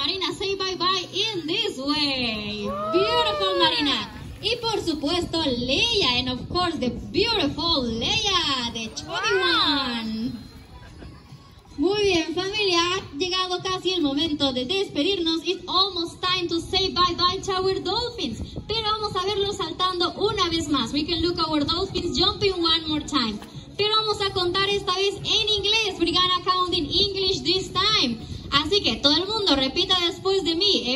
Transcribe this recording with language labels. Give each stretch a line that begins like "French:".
English: Marina, say bye bye in this way. Beautiful, Marina.
Spanish: Y por supuesto, Leia.
English: And of course, the beautiful Leia, the chubby one.
Spanish: Muy bien, familia. Ha llegado casi el momento de despedirnos.
English: It's almost time to say bye bye to our dolphins.
Spanish: Pero vamos a verlos saltando una vez más.
English: We can look at our dolphins jumping one more time.
Spanish: Pero vamos a contar esta vez en inglés.
English: We're gonna count in English this time.
Spanish: Así que todo el mundo repita después de mí.